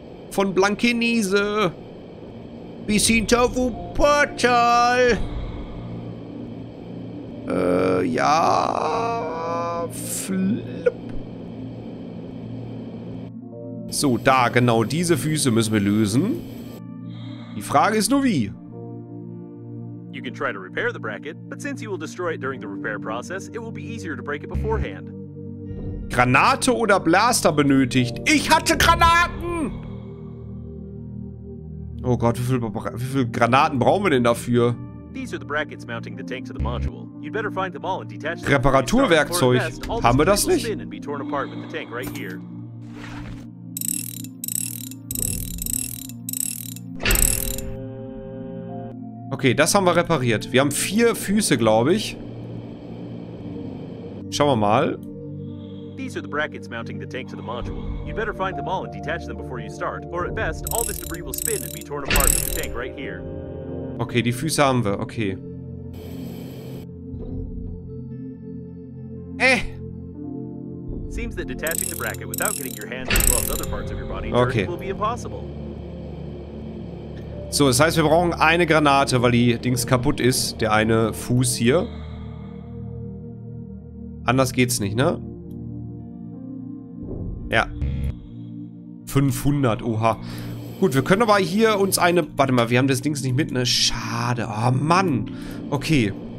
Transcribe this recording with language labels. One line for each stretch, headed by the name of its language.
German: Von Blankenese. Bis hinter Wuppertal. Ja. Flip. So, da, genau diese Füße müssen wir lösen. Die Frage ist nur wie.
English: You can try to repair the bracket, but since you will destroy it during the repair process, it will be easier to break it beforehand.
German: Granate oder Blaster benötigt. Ich hatte Granaten! Oh Gott, wie viel Granaten brauchen wir denn dafür?
English: These are the brackets mounting the tank to the module. You'd better find them all and detach them.
German: Reparaturwerkzeug. Haben wir das nicht?
English: And be torn apart with the tank right here.
German: Okay, das haben wir repariert. Wir haben 4 Füße, glaube ich. Schauen wir mal.
English: These are the brackets mounting the tank to the module. You'd better find them all and detach them before you start. Or at best, all this debris will spin and be torn apart with the tank right here.
German: Okay, die Füße haben wir. Okay.
English: Seems that detaching the bracket without getting your hands as well as other parts of your body will be impossible.
German: So, das heißt, wir brauchen eine Granate, weil die Dings kaputt ist. Der eine Fuß hier. Anders geht's nicht, ne? Ja. 500, oha. Gut, wir können aber hier uns eine... Warte mal, wir haben das Dings nicht mit, ne? Schade. Oh, Mann. Okay.